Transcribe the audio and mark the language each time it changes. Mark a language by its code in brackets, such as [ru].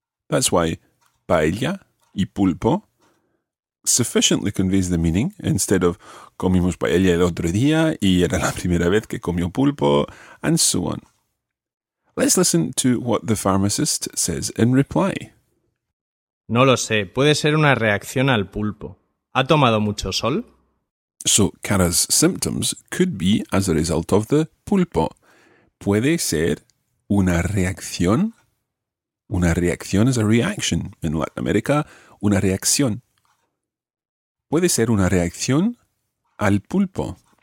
[en] That's why [es] paella y pulpo [en] sufficiently conveys the meaning, instead of [es] comimos paella el otro día y era la primera vez que comió pulpo, [en] and so on. Let's listen to what the pharmacist says in reply. [es] No lo sé, puede ser una reacción al pulpo. ¿Ha tomado mucho sol? [en] So, Cara's symptoms could be as a result of the pulpo. [es] Puede ser una reacción. Una reacción [en] is a reaction in Latin America. [es] Una reacción. Puede ser una reacción al pulpo.